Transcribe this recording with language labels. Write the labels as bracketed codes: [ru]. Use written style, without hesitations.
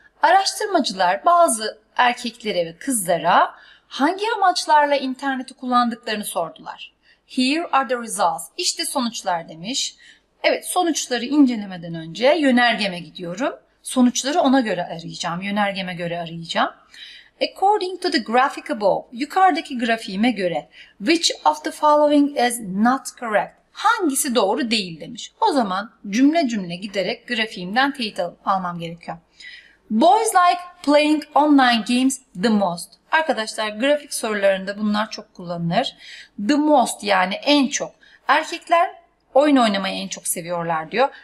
[tr] Araştırmacılar bazı erkeklere ve kızlara hangi amaçlarla interneti kullandıklarını sordular. [en] Here are the results. [tr] İşte sonuçlar demiş. Evet, sonuçları incelemeden önce yönergeme gidiyorum. Sonuçları ona göre arayacağım. Yönergeme göre arayacağım. [en] According to the graphic above, [tr] yukarıdaki grafiğime göre, [en] which of the following is not correct? [tr] Hangisi doğru değil demiş. O zaman cümle cümle giderek grafiğimden teyit almam gerekiyor. [en] Boys like playing online games the most. [tr] Arkadaşlar grafik sorularında bunlar çok kullanılır. [en] The most [tr] yani en çok. Erkekler oyun oynamayı en çok seviyorlar diyor.